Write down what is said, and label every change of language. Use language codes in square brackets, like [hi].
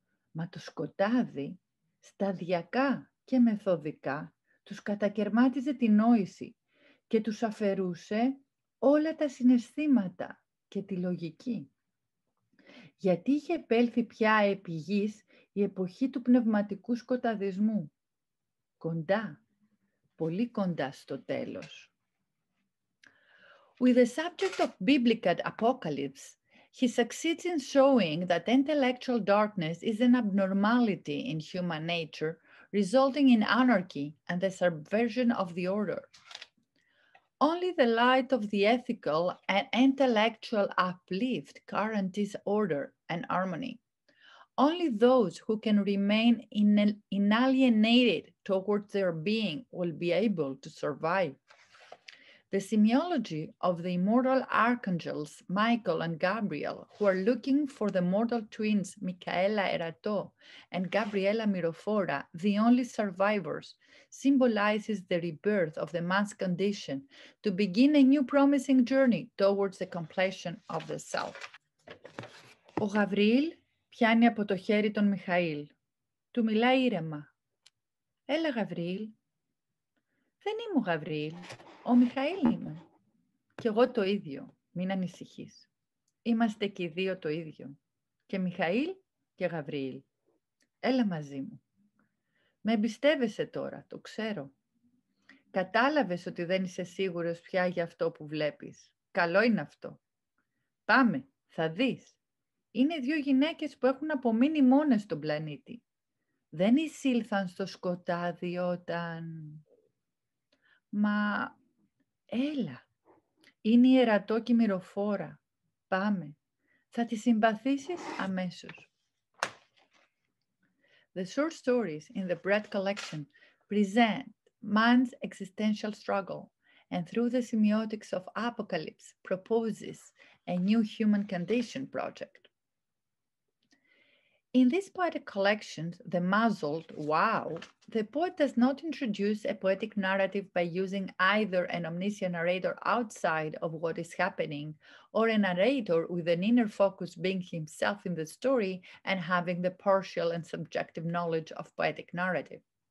[el] Μα το σκοτάδι, σταδιακά και μεθοδικά, τους κατακερμάτιζε την νόηση και τους αφαιρούσε όλα τα συναισθήματα και τη λογική. Γιατί είχε επέλθει πια επί γης η εποχή του πνευματικού σκοταδισμού. Κοντά, πολύ κοντά στο τέλος. [en] With the subject of biblical apocalypse, he succeeds in showing that intellectual darkness is an abnormality in human nature, resulting in anarchy and the subversion of the order. Only the light of the ethical and intellectual uplift guarantees order and harmony. Only those who can remain inalienated towards their being will be able to survive. The semiology of the immortal archangels, Michael and Gabriel, who are looking for the mortal twins, Micaela Erato and Gabriela Mirofora, the only survivors, symbolizes the rebirth of the man's condition to begin a new promising journey towards the completion of the self. [el] Ο Γαβριήλ πιάνει από το χέρι τον Μιχαήλ. Του μιλάει ήρεμα. Έλα, Γαβριήλ. Δεν είμαι ο Γαβριήλ. Ο Μιχαήλ είμαι. Κι εγώ το ίδιο. Μην ανησυχείς. Είμαστε και οι δύο το ίδιο. Και Μιχαήλ και Γαβριήλ. Έλα μαζί μου. Με εμπιστεύεσαι τώρα. Το ξέρω. Κατάλαβες ότι δεν είσαι σίγουρος πια για αυτό που βλέπεις. Καλό είναι αυτό. Πάμε. Θα δεις. Είναι δύο γυναίκες που έχουν απομείνει μόνες στον πλανήτη. Δεν εισήλθαν στο σκοτάδι όταν... Μα... Έλα. Είναι η ερατόκι μυροφόρα. Πάμε. Θα τη συμπαθήσεις αμέσως. [en] The short stories in the Bread Collection present man's existential struggle and through the semiotics of apocalypse proposes a new human condition project. In this poetic collection, The Muzzled Wow, the poet does not introduce a poetic narrative by using either an omniscient narrator outside of what is happening or a narrator with an inner focus being himself in the story and having the partial and subjective knowledge of poetic narrative.